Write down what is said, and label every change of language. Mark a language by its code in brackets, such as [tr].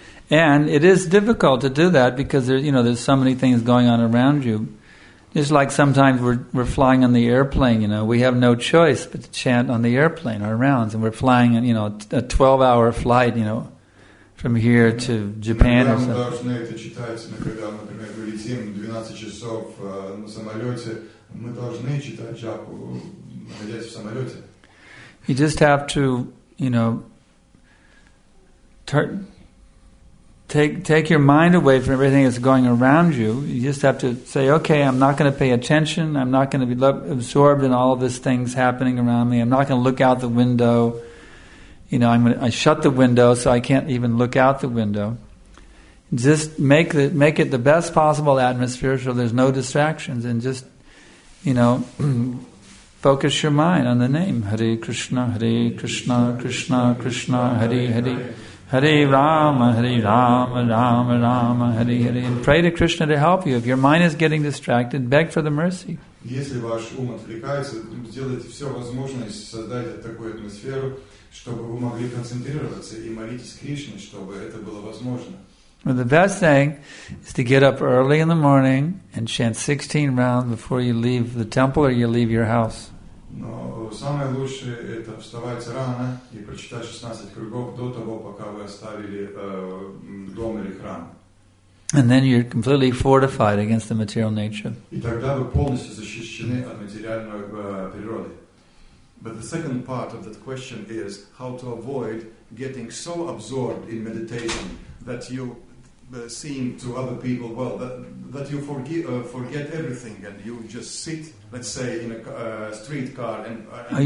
[en] And it is difficult to do that because there's so many things going on around you. It's like sometimes we're flying on the airplane, you know, we have no choice but to chant on the airplane our rounds, and we're flying, you know, a 12-hour flight, you know, from here to Japan or something. [ru] Летим 12 часов на самолете, мы должны читать джапу, находясь в самолете. [en] You just have to, take your mind away from everything that's going around you. You just have to say, okay, I'm not going to pay attention. I'm not going to be absorbed in all of these things happening around me. I'm not going to look out the window. You know, I shut the window so I can't even look out the window. Just make it the best possible atmosphere so there's no distractions, and just, you know, focus your mind on the name. [sa] Hare Krishna, Hare Krishna, Krishna Krishna, Hare Hare, Hare Rama, Hare Rama, Rama Rama, Hare Hare. [en] And pray to Krishna to help you. If your mind is getting distracted, beg for the mercy. [ru] Если ваш ум отвлекается, сделайте все возможное, создайте такую атмосферу, чтобы вы могли концентрироваться, и молитесь Кришне, чтобы это было возможно. [en] Well, the best thing is to get up early in the morning and chant 16 rounds before you leave the temple or you leave your house. [ru] Но самое лучшее – это вставать рано и прочитать 16 кругов до того, пока вы оставили дом или храм. [en] And then you're completely fortified against the material nature. [ru] И тогда вы полностью защищены от материальной природы. [en] But the second part of that question is how to avoid getting so absorbed in meditation that you seem to other people, well, that you forget everything and you just sit, let's say, in a streetcar. And